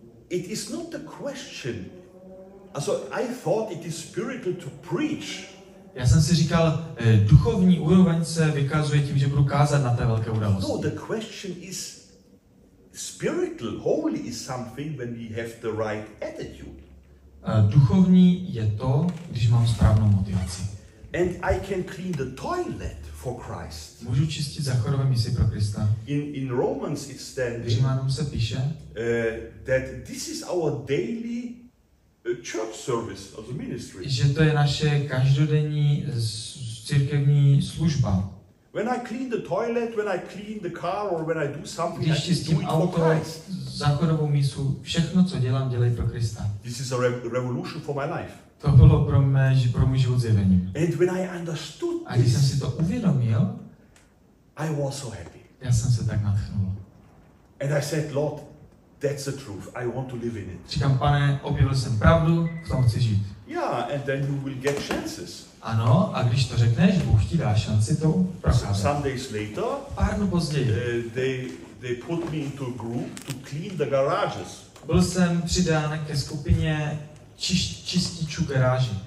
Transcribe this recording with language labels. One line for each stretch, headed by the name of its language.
English: It is not the question. So I thought it is spiritual to preach.
Czech: Já jsem si říkal, duchovní úroveň se vykazuje tím, že budu kázat na té velké události.
English: No, the question is spiritual. Holy is something when we have the right attitude.
Czech: Duchovní je to, když mám správnou motivaci.
English: And I can clean the toilet for Christ.
Czech: Můžu čistit záchodové misi pro Krista.
English: In Romans it stands.
Czech: Římanům se píše.
English: That this is our daily church service of the ministry.
Czech: Že to je naše každodenní církevní služba.
English: When I clean the toilet, when I clean the car, or when I do something,
Czech: když čistím auto, záchodovou misu, všechno, co dělej pro Krista.
English: This is a revolution for my life.
Czech: To bylo pro můj život zjevení.
English: And when I understood
Czech: a když jsem si to uvědomil,
English: I was so happy.
Czech: Já jsem se tak nadchnul.
English: And I said, Lord, that's the truth. I want to live in it.
Czech: Říkám, pane, objevil jsem pravdu, v tom chci žít.
English: Yeah, and then you will get chances.
Czech: Ano, a když to řekneš, Bůh ti dá šanci to prokázat.
English: Some days later,
Czech: pár dnů později,
English: they put me into a group to clean the garages.
Czech: Byl jsem přidán ke skupině čističu garáže.